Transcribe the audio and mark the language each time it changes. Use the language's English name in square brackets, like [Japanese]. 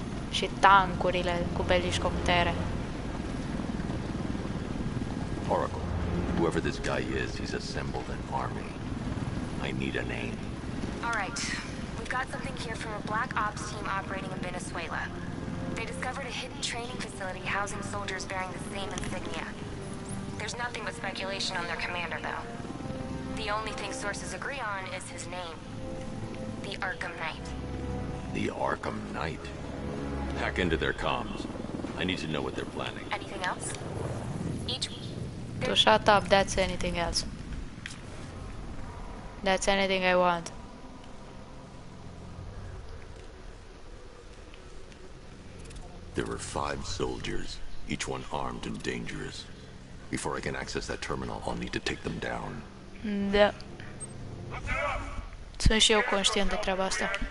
[Romanian] și tancurile cu beliscoptere. [English] Oracle, whoever this guy is, he's assembled an army. I need a name. All right. We've got something here from a black ops team operating in Venezuela. They discovered a hidden training facility housing soldiers bearing the same insignia. There's nothing but speculation on their commander, though. The only thing sources agree on is his name. The Arkham Knight. The Arkham Knight? Hack into their comms. I need to know what they're planning. Anything else? So shut up, that's anything else. That's anything I want. There are five soldiers, each one armed and dangerous. Before I can access that terminal, I'll need to take them down. [Romanian] Da. Sunt și eu conștient de treaba asta.